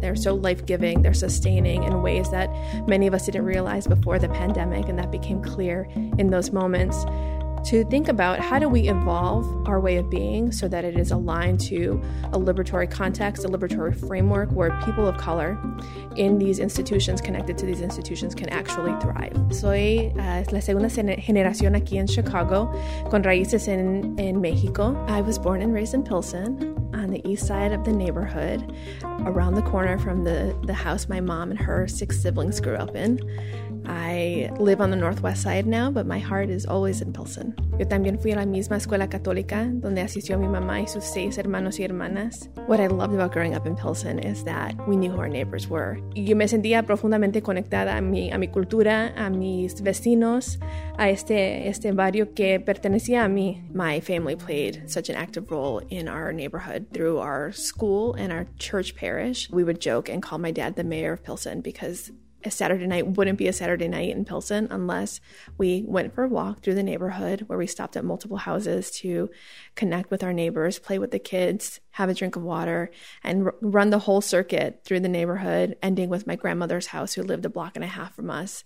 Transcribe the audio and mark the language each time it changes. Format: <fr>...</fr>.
<en>They're so life-giving, they're sustaining in ways that many of us didn't realize before the pandemic, and that became clear in those moments. To think about how do we evolve our way of being so that it is aligned to a liberatory context, a liberatory framework where people of color in these institutions, connected to these institutions, can actually thrive.</en> <es>Soy la segunda generación aquí en Chicago, con raíces en México.</es> <en>I was born and raised in Pilsen, on the east side of the neighborhood, around the corner from the house my mom and her six siblings grew up in. I live on the northwest side now, but my heart is always in Pilsen.</en> <es>Yo también fui a la misma escuela católica donde asistió mi mamá y sus seis hermanos y hermanas.</es> <en>What I loved about growing up in Pilsen is that we knew who our neighbors were.</en> <es>Yo me sentía profundamente conectada a mi cultura, a mis vecinos, a este barrio que pertenecía a mí.</es> <en>My family played such an active role in our neighborhood through our school and our church parish. We would joke and call my dad the mayor of Pilsen because a Saturday night wouldn't be a Saturday night in Pilsen unless we went for a walk through the neighborhood where we stopped at multiple houses to connect with our neighbors, play with the kids, have a drink of water, and run the whole circuit through the neighborhood, ending with my grandmother's house who lived a block and a half from us.</en>